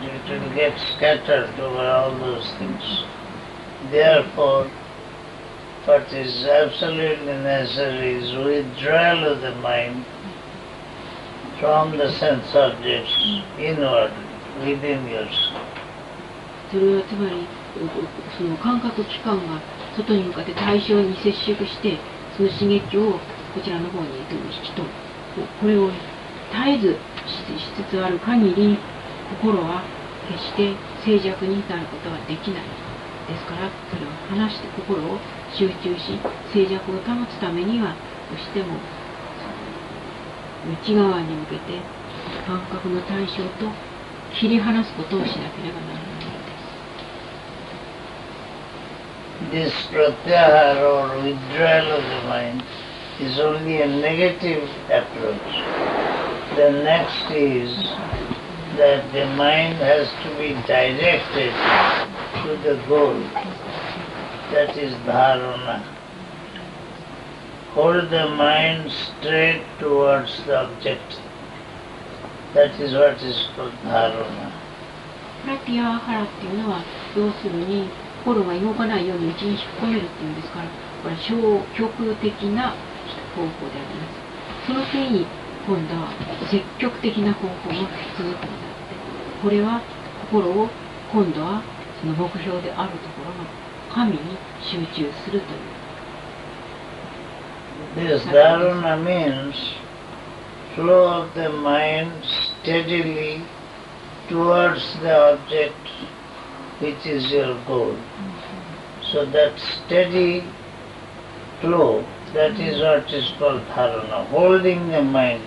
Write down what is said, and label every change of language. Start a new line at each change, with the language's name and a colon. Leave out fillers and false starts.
English: It will get scattered over all those things. Therefore, what is absolutely necessary is withdrawal of the mind from the sense objects inward, within yourself.
Japanese: それはつまり、その感覚器官が外に向かって対象に接触して、その刺激をこちらの方に引き取る。これを絶えずしつつある限り、心は決して静寂に至ることはできない。ですから、それを話して心を集中し、静寂を保つためには、どうしても内側に向けて感覚の対象と切り離すことをしなければならないのです。
English: This pratyahara or withdrawal of the mind is only a negative approach. The next is that the mind has to be directed to the goal, that is dharana. Hold the mind straight towards the object. That is what is called dharana.
Japanese: Pratyahara っていうのは、要するに心が動かないように内に引っ込めるっていうんですから、これは消極的な方法であります。その次に今度は積極的な方法が続くんだって。これは心を今度はその目標であるところの神に集中するという。
English: This dharana means flow of the mind steadily towards the object which is your goal. So that steady flow, that is what is called dharana, holding the mind.